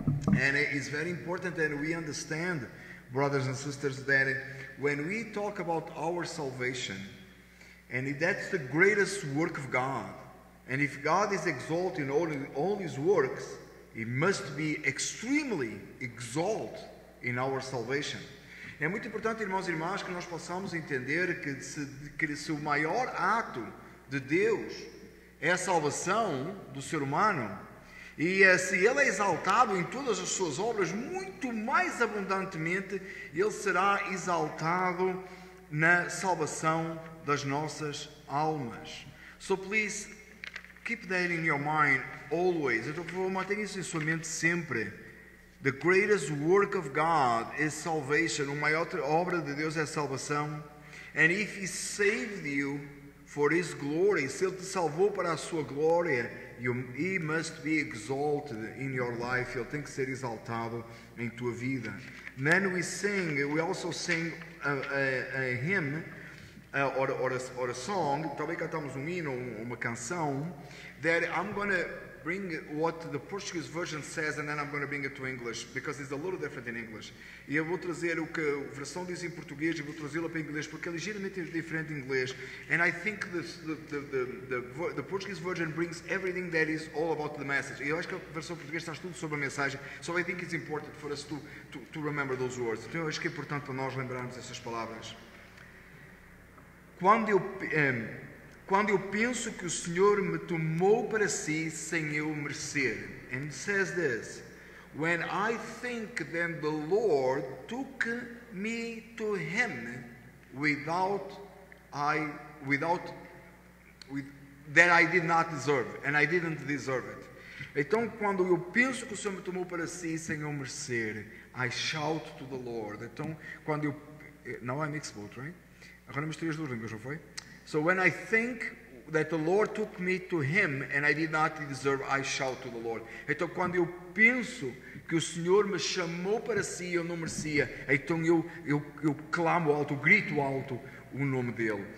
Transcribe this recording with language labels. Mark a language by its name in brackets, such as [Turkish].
[English] And it's very important that we understand, brothers and sisters, that when we talk about our salvation, and that's the greatest work of God, and if God is exalting all his works, he must be extremely exalted in our salvation. [Portuguese] É muito importante, irmãos e irmãs, que nós possamos entender que se o maior ato de Deus é a salvação do ser humano, e se ele é exaltado em todas as suas obras, muito mais abundantemente ele será exaltado na salvação das nossas almas. [English] So please keep that in your mind always. [Portuguese] Então, por favor, mantenha isso em sua mente sempre. [English] The greatest work of God is salvation. [Portuguese] A maior obra de Deus é a salvação. [English] And if he saved you for his glory, [Portuguese] se ele te salvou para a sua glória, [English] he must be exalted in your life. [Portuguese] Ele tem que ser exaltado em tua vida. [English] Then we sing, we also sing a hymn or a song. [Portuguese] Talvez cantamos um hino ou uma canção. [English] That I'm going to bring what the Portuguese version says, and then I'm going to bring it to English because it's a little different in English. [Portuguese] E eu vou trazer o que a versão diz em português e vou trazê-la para inglês porque é ligeiramente diferente em inglês. [English] And I think the Portuguese version brings everything that is all about the message. [Portuguese] E eu acho que a versão portuguesa está tudo sobre a mensagem. [English] So I think it's important for us to remember those words. [Portuguese] Então eu acho que é importante para nós lembrarmos essas palavras. Quando eu penso que o Senhor me tomou para si sem eu merecer. [English] And it says this: when I think that the Lord took me to him that I did not deserve, and I didn't deserve it. [Portuguese] Então, quando eu penso que o Senhor me tomou para si sem eu merecer, [English] I shout to the Lord. [Portuguese] Então, quando eu... [English] Now I mix both, right? [Portuguese] Agora misturei as duas línguas, não foi? [English] So when I think that the Lord took me to him and I did not deserve, I shout to the Lord. [Portuguese] Então, quando eu penso que o Senhor me chamou para si e eu não merecia, então eu clamo alto, grito alto o nome dele.